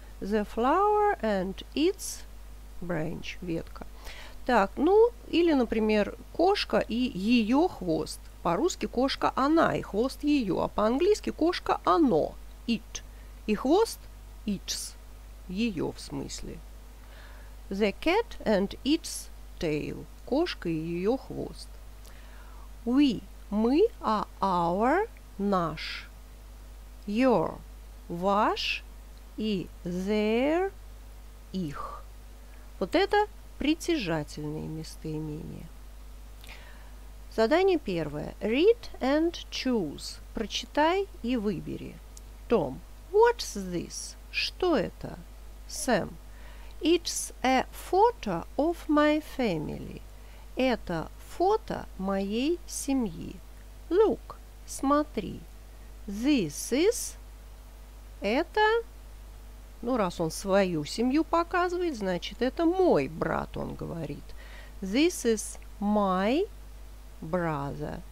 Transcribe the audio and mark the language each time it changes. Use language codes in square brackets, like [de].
[en] The flower and its branch. [ru] Ветка. Так, ну, или, например, кошка и ее хвост. По-русски кошка она и хвост ее. А по-английски кошка оно. It. И хвост its. Ее в смысле. [en] The cat and its tail, [ru] кошка и ее хвост. We – мы, а our – наш. Your – ваш и their – их. Вот это притяжательные местоимения. Задание первое. [en] Read and choose. [ru] Прочитай и выбери. [en] Tom – what's this? [ru] Что это? [en] Sam – it's a photo of my family. [ru] Это фото моей семьи. [en] Look, смотри. This is... [ru] Это... Ну, раз он свою семью показывает, значит, это мой брат, он говорит. [en] This is my brother.